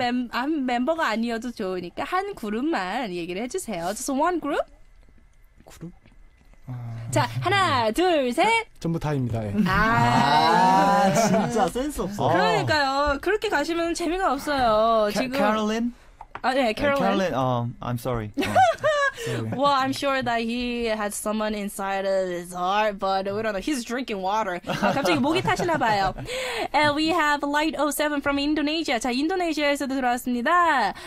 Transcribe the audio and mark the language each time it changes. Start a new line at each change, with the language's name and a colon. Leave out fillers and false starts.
Korean: 한 멤버가 아니어도 좋으니까 한 그룹만 얘기를 해주세요.
English: Just one group?
Korean: 그룹? 자, 하나, 둘, 셋. 전부 다입니다. 예. 아, 진짜 센스 없어. 그러니까요. 그렇게 가시면 재미가 없어요. 지금
English: Caroline?
Korean: 아, 네, Caroline.
English: Caroline, I'm sorry. Well, I'm sure that he has someone inside of his heart, but we don't know. He's drinking water.
Korean: 갑자기 목이 타시나 봐요.
English: And we have Light 07 from Indonesia.
Korean: 자, 인도네시아에서도 들어왔습니다.